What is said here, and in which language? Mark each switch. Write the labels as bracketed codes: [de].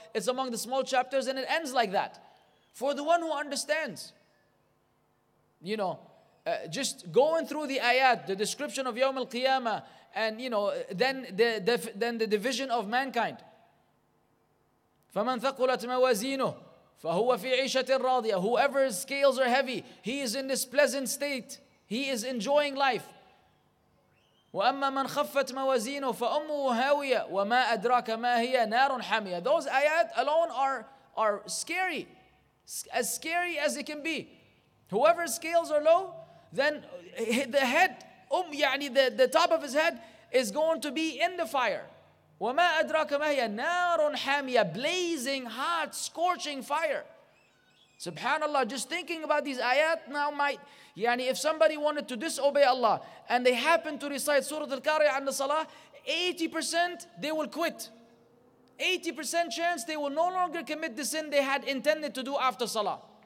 [en] It's among the small chapters and it ends like that. For the one who understands, you know, just going through the ayat, the description of Yawm Al-Qiyamah, and you know, then the division of mankind. [ar] فَمَنْ ثَقُلَتْ مَوَازِينُهُ فَهُوَ فِي عِيشَةٍ رَاضِيَةٍ [en] Whoever's scales are heavy, he is in this pleasant state. He is enjoying life. [ar] وَأَمَّا مَنْ خَفَّتْ مَوَازِينُهُ فَأُمُّهُ هَاوِيَةٌ وَمَا أَدْرَاكَ مَا هِيَ نَارٌ حَمِيَةٌ [en] Those ayat alone are scary. As scary as it can be. Whoever's scales are low, then the head, the top of his head is going to be in the fire. [ar] وَمَا أَدْرَاكَ مَا هِيَ نَارٌ حَامِيَةٌ [en] Blazing, hot, scorching fire. SubhanAllah, just thinking about these ayat now might, yani if somebody wanted to disobey Allah and they happen to recite Surah Al-Qari'ah and the Salah, 80% they will quit. 80% chance they will no longer commit the sin they had intended to do after Salah.